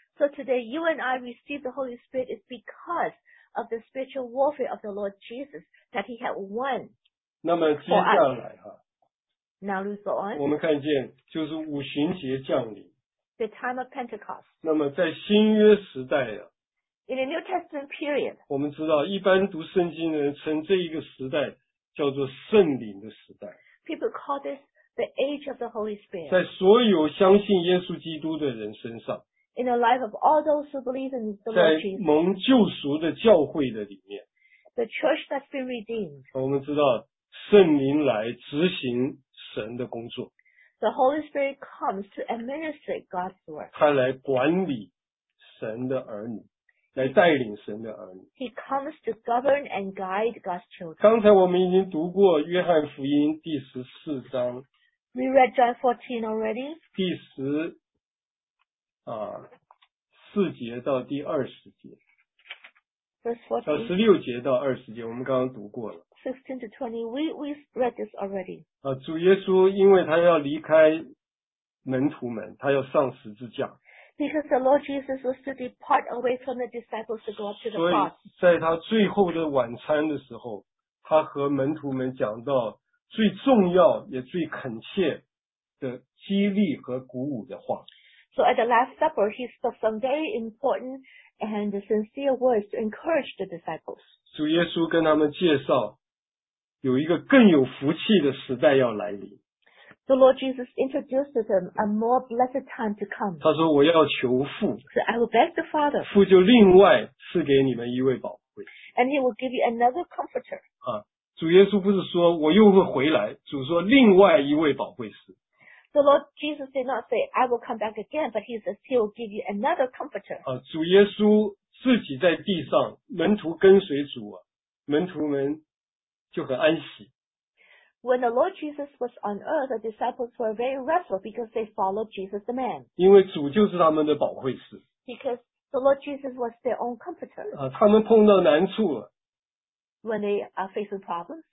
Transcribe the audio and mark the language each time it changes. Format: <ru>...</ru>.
<en>So today you and I receive the Holy Spirit is because of the spiritual warfare of the Lord Jesus that He had won.</en> <zh>那么接下来哈</zh> <en>，Now we go on.</en> <zh>我们看见就是五旬节降临</zh> <en>，The time of Pentecost.</en> <zh>那么在新约时代啊</zh> <en>，In the New Testament period.</en> <zh>我们知道一般读圣经的人称这一个时代。叫做圣灵的时代。</zh> <en>People call this the age of the Holy Spirit.</en> <zh>在所有相信耶稣基督的人身上。</zh> <en>In the life of all those who believe in the Lord Jesus.</en> <zh>在蒙救赎的教会的里面。</zh> <en>The church that's been redeemed.</en> <zh>我们知道圣灵来执行神的工作。</zh> <en>The Holy Spirit comes to administer God's work.</en> <zh>他来管理神的儿女。来带领神的儿女。</zh> <en>He comes to govern and guide God's children.</en> <zh>刚才我们已经读过约翰福音第十四章。</zh> <en>We read John 14 already.</en> <zh>第十四节到第二十节。</zh> <en>Verse 14.</en> <zh>到十六节到二十节，我们刚刚读过了。</zh> <en>16-20, we read this already.</en> <zh>主耶稣因为他要离开门徒们，他要上十字架。</zh> <en>Because the Lord Jesus was to depart away from the disciples to go up to the cross.</en> <zh>所以在他最后的晚餐的时候，他和门徒们讲到最重要也最恳切的激励和鼓舞的话。</zh> <en>So at the Last Supper, he spoke some very important and sincere words to encourage the disciples.</en> <zh>主耶稣跟他们介绍有一个更有福气的时代要来临。</zh> <en>The Lord Jesus introduced to them a more blessed time to come.</en> <zh>他说我要求父。</zh> <en>So I will beg the Father.</en> <zh>父就另外赐给你们一位宝贵。</zh> <en>And he will give you another comforter.</en> <zh>主耶稣不是说我又会回来，主说另外一位宝贵是。</zh> <en>The Lord Jesus did not say I will come back again, but he says he will give you another comforter.</en> <zh>主耶稣自己在地上，门徒跟随主，门徒们就很安息。</zh> <en>When the Lord Jesus was on earth, the disciples were very restless because they followed Jesus the man.</en> <zh>因为主就是他们的保惠师。</zh> <en>Because the Lord Jesus was their own comforter.</en> <zh>他们碰到难处了。</zh> <en>When they are facing problems.</en>